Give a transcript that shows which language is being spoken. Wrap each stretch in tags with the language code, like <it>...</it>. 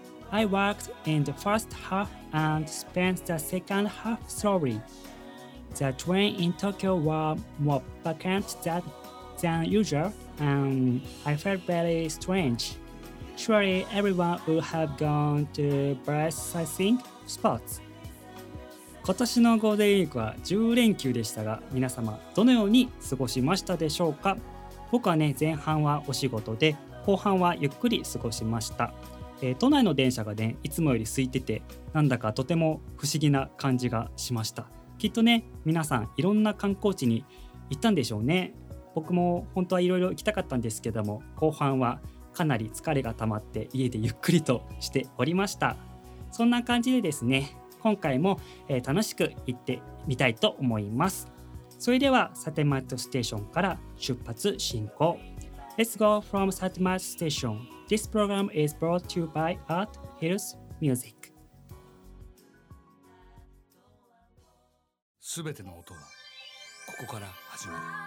<en>I worked in the first half and spent the second half slowly. The train in Tokyo were more vacant than usual, and I felt very strange. Surely everyone would have gone to breath sizing spots.</en> <ja>今年のゴールデンウィークは10連休でしたが、皆様どのように過ごしましたでしょうか。僕はね、前半はお仕事で、後半はゆっくり過ごしました。都内の電車がね、いつもより空いてて、なんだかとても不思議な感じがしました。きっとね、皆さんいろんな観光地に行ったんでしょうね。僕も本当はいろいろ行きたかったんですけども、後半はかなり疲れが溜まって家でゆっくりとしておりました。そんな感じでですね、今回も楽しく行ってみたいと思います。それではサテマイトステーションから出発進行。</ja> <en>Let's go from サテマイトステーション。 This program is brought to you by Art Hills Music。</en> <ja>すべての音はここから始まる。</ja>